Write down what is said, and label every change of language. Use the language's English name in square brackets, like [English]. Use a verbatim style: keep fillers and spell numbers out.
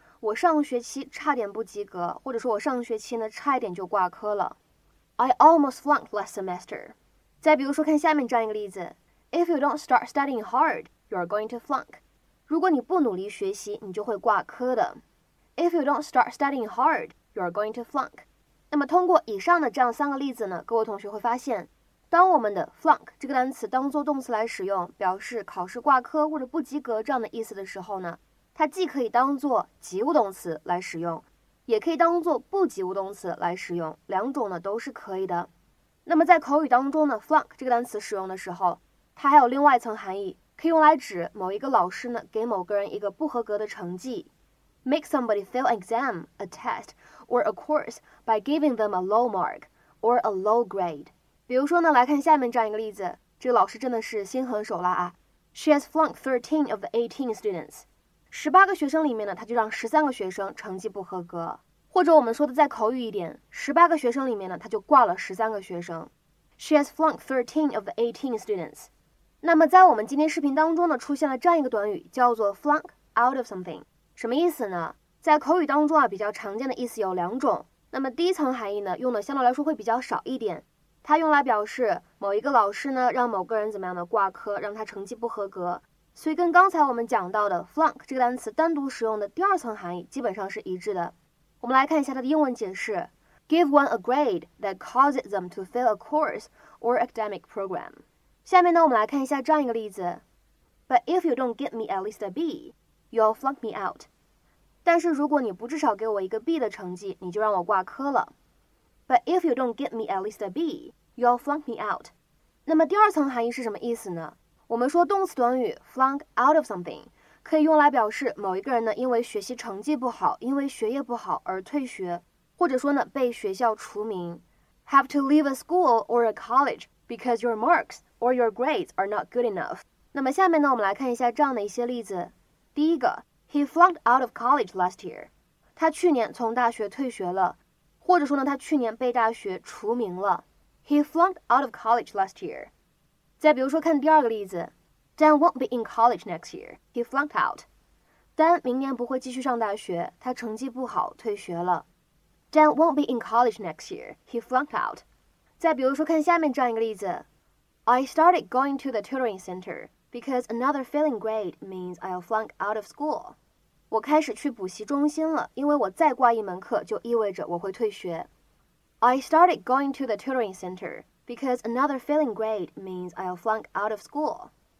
[Chinese] 我上学期差点不及格，或者说我上学期呢差一点就挂科了。 [English] I almost flunked last semester。 [Chinese] 再比如说看下面这样一个例子 [English] ，If you don't start studying hard, you're going to flunk。 [Chinese] 如果你不努力学习，你就会挂科的。 [English] If you don't start studying hard, you're going to flunk。 [Chinese] 那么通过以上的这样三个例子呢，各位同学会发现，当我们的 flunk 这个单词当做动词来使用，表示考试挂科或者不及格这样的意思的时候呢，它既可以当做及物动词来使用，也可以当做不及物动词来使用，两种呢都是可以的。那么在口语当中呢 flunk 这个单词使用的时候，它还有另外一层含义，可以用来指某一个老师呢给某个人一个不合格的成绩。 [English] Make somebody fail an exam, a test, or a course by giving them a low mark or a low grade. [Chinese] 比如说呢，来看下面这样一个例子，这个老师真的是心狠手辣啊。 [English] She has flunked thirteen of the eighteen students. [Chinese] 十八个学生里面呢，他就让十三个学生成绩不合格。或者我们说的再口语一点，十八个学生里面呢，他就挂了十三个学生。 [English] She has flunked thirteen of the eighteen students. [Chinese] 那么在我们今天视频当中呢，出现了这样一个短语，叫做 flunk out of something。什么意思呢？在口语当中啊，比较常见的意思有两种。那么第一层含义呢，用的相对来说会比较少一点，它用来表示某一个老师呢，让某个人怎么样的挂科，让他成绩不合格。所以跟刚才我们讲到的 flunk 这个单词单独使用的第二层含义基本上是一致的。我们来看一下它的英文解释 [English] ：Give one a grade that causes them to fail a course or academic program。 [Chinese] 下面呢，我们来看一下这样一个例子 [English] ：But if you don't get me at least a B, you'll flunk me out。 [Chinese] 但是如果你不至少给我一个 B 的成绩，你就让我挂科了。 [English] But if you don't get me at least a B, you'll flunk me out。 [Chinese] 那么第二层含义是什么意思呢？我们说动词短语 flunk out of something 可以用来表示某一个人呢因为学习成绩不好，因为学业不好而退学，或者说呢被学校除名。 [English] Have to leave a school or a college because your marks or your grades are not good enough。 [Chinese] 那么下面呢我们来看一下这样的一些例子。第一个 [English] ，He flunked out of college last year。 [Chinese] 他去年从大学退学了，或者说呢他去年被大学除名了。 [English] He flunked out of college last year。 [Chinese] 再比如说看第二个例子 [English] Dan won't be in college next year. He flunked out. [Chinese] Dan 明年不会继续上大学，他成绩不好，退学了。 [English] Dan won't be in college next year. He flunked out. [Chinese] 再比如说看下面这样一个例子 [English] I started going to the tutoring center because another failing grade means I'll flunk out of school. [Chinese] 我开始去补习中心了，因为我再挂一门课就意味着我会退学。 [English] I started going to the tutoring center. Because another failing grade means I'll flunk out of school.